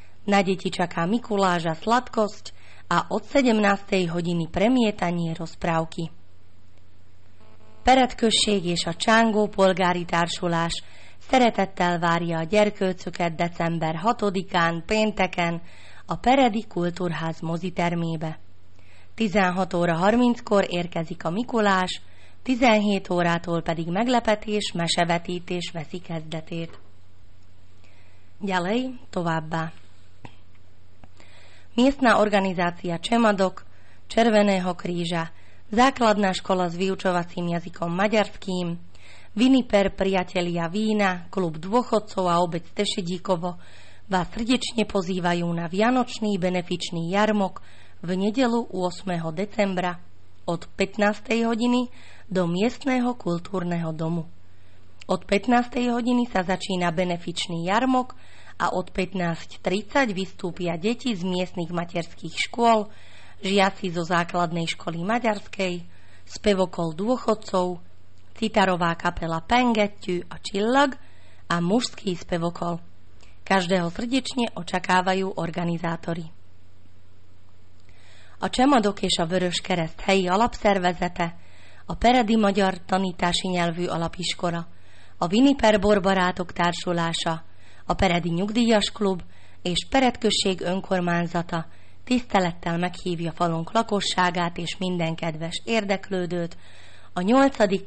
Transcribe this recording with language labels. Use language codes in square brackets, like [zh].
[sk] Na deti čaká Mikuláša sladkosť a od 17. hodiny premietanie rozprávky. [hu] Peretkösség és a Csángó polgári társulás szeretettel várja a gyerkőcöket december 6-án pénteken a Peredi Kultúrház mozitermébe. 16 óra 30-kor érkezik a Mikulás, 17 órától pedig meglepetés, mesevetítés veszi kezdetét. [sk] Ďalej, [hu] továbbá. [sk] Miestna organizácia Csemadok, Červeného kríža, Základná škola s vyučovacím jazykom maďarským, Viniper priatelia vína, Klub dôchodcov a obec Tešedíkovo vás srdečne pozývajú na vianočný benefičný jarmok v nedeľu 8. decembra od 15. hodiny do miestneho kultúrneho domu. Od 15. hodiny sa začína benefičný jarmok a od 15.30 vystúpia deti z miestnych materských škôl, žiaci zo základnej školy maďarskej, spevokol dôchodcov, citarová kapela Pengettyű a Csillag a mužský spevokol. Každého srdečne očakávajú organizátori. [hu] A Csemadok és a Vörös Kereszt helyi alapszervezete, a Peredi Magyar Tanítási Nyelvű Alapiskola, a Viniper Borbarátok Társulása, a Peredi Nyugdíjas Klub és Peretkösség Önkormányzata tisztelettel meghívja falunk lakosságát és minden kedves érdeklődőt a 8.